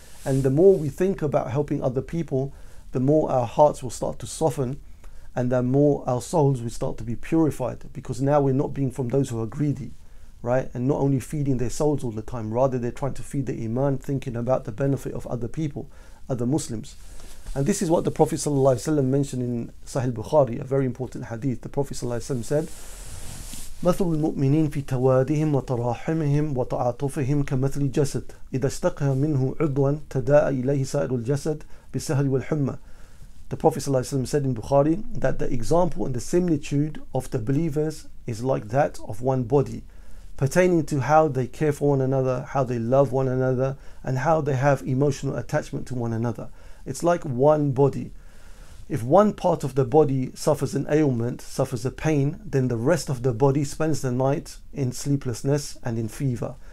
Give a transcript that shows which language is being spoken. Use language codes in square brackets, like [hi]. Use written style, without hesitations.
[en] And the more we think about helping other people, the more our hearts will start to soften, and the more our souls will start to be purified, because now we're not being from those who are greedy, right? And not only feeding their souls all the time, rather they're trying to feed the iman, thinking about the benefit of other people, other Muslims. And this is what the Prophet ﷺ mentioned in Sahih Bukhari, a very important hadith. The Prophet ﷺ said, [ar] مَثَلُ الْمُؤْمِنِينَ فِي تَوَادِهِمْ وَتَرَاحِمِهِمْ وَتَعَاطُفِهِمْ كَمَثْلِ جَسَدٍ إِذَا اشْتَقَى مِنْهُ عُضْوًا تَدَاءَ إِلَيْهِ سَائِرُ الْجَسَدِ بِالسَّهَرِ وَالْحُمَى. [en] The Prophet ﷺ said in Bukhari that the example and the similitude of the believers is like that of one body, pertaining to how they care for one another, how they love one another, and how they have emotional attachment to one another. It's like one body. If one part of the body suffers an ailment, suffers a pain, then the rest of the body spends the night in sleeplessness and in fever.